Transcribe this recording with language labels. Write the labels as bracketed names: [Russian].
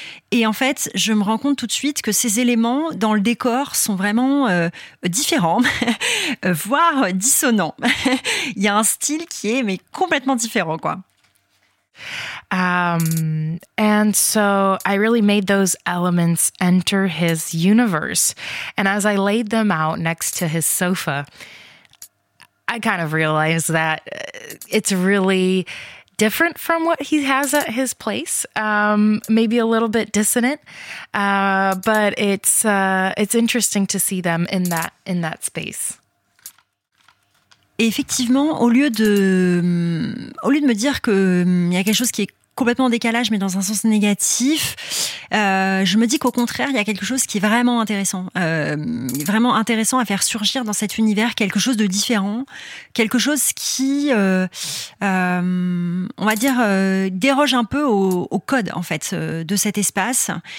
[French] Et en fait, je me rends compte tout de suite que ces éléments dans le décor sont vraiment différents, voire dissonants. Il y a un style qui est mais complètement différent, quoi. [English] And so I really made those elements enter his universe. And as I laid them out next to his sofa, I kind of realized that it's really different from what he has at his place. Maybe a little bit dissonant, but it's interesting to see them in that space. [French] Effectivement, au lieu de me dire qu'il y a quelque chose qui est complètement en décalage, mais dans un sens négatif. Je me dis qu'au contraire, il y a quelque chose qui est vraiment intéressant. Vraiment intéressant à faire surgir dans cet univers, quelque chose de différent, quelque chose qui, on va dire, déroge un peu au code, en fait, de cet espace.